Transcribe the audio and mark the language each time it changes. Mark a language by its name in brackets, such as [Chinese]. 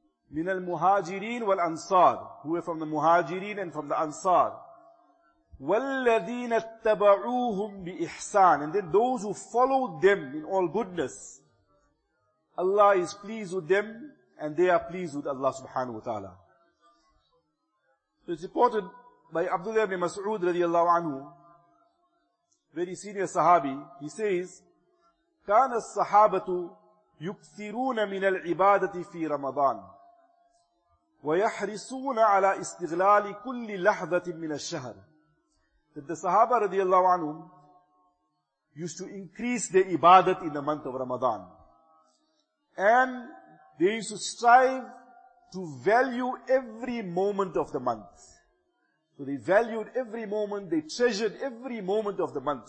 [Arabic] Min al-muhajirin wal-ansar, [English] who were from the muhajirin and from the ansar. [Arabic] Wal-ladhina attaba'uhum bi-ihsan, [English] and then those who followed them in all goodness. Allah is pleased with them, and they are pleased with Allah subhanahu wa ta'ala. It's reported by Abdullah ibn Mas'ud radiallahu anhu, very senior sahabi, he says, [Arabic] كَانَ الصَّحَابَةُ يُكْثِرُونَ مِنَ الْعِبَادَةِ فِي رَمَضَانِ وَيَحْرِصُونَ عَلَىٰ إِسْتِغْلَالِ كُلِّ لَحْظَةٍ مِنَ الشَّهْرِ. [English] That the Sahaba radiallahu anhum used to increase their ibadat in the month of Ramadan. And they used to strive to value every moment of the month. So they valued every moment, they treasured every moment of the month.